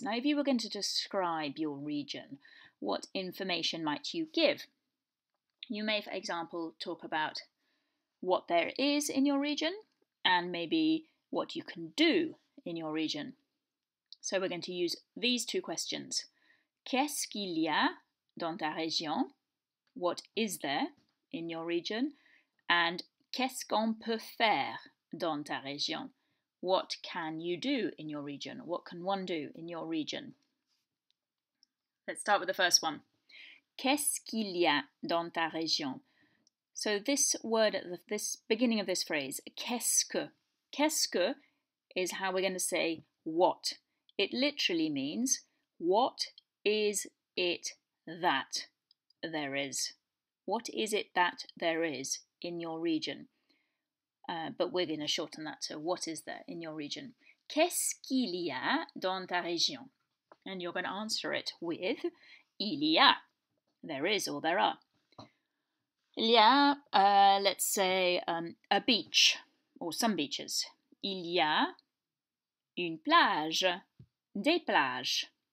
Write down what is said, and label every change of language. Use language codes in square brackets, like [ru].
[en] Now, if you were going to describe your region, what information might you give? You may, for example, talk about what there is in your region and maybe what you can do in your region. So we're going to use these two questions. [fr] Qu'est-ce qu'il y a dans ta région? [en] What is there in your region? And [fr] qu'est-ce qu'on peut faire dans ta région? [en] What can you do in your region? What can one do in your region? Let's start with the first one. [fr] Qu'est-ce qu'il y a dans ta région? [en] So this word, this beginning of this phrase, [fr] qu'est-ce que [en] is how we're going to say what. It literally means what is it that there is. What is it that there is in your region? But we're going to shorten that to what is there in your region. [fr] Qu'est-ce qu'il y a dans ta région? [en] And you're going to answer it with [fr] il y a. [en] There is or there are. [fr] Il y a, [en] let's say, a beach or some beaches. [fr] Il y a une plage, des plages.